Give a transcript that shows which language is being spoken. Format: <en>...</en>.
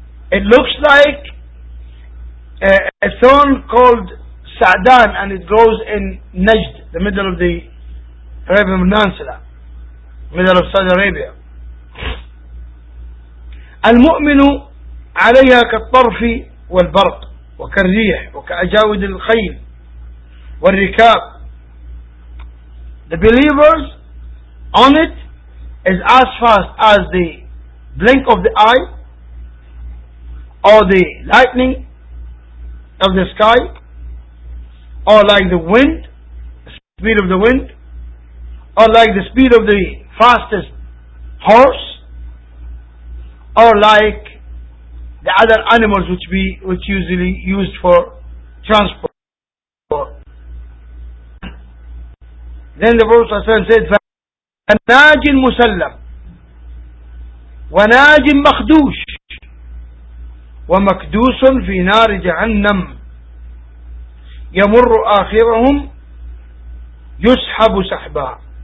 <en>It looks like a thorn called Sa'dan, and it grows in Najd, the middle of the Arabian Peninsula, middle of Saudi Arabia.</en> <ar>المؤمن عليها كالطرف والبرق وكالريح وكأجاود الخيل والركاب.</ar> <en>The believers on it is as fast as the blink of the eye, or the lightning of the sky, or like the wind, speed of the wind, or like the speed of the fastest horse, or like the other animals which usually used for transport. Then the Prophet said,</en> <ar>"Wanajin musallam, wanajin makhdush." ومكدوس في نار جهنم يمر آخرهم يسحب سحبا.</ar>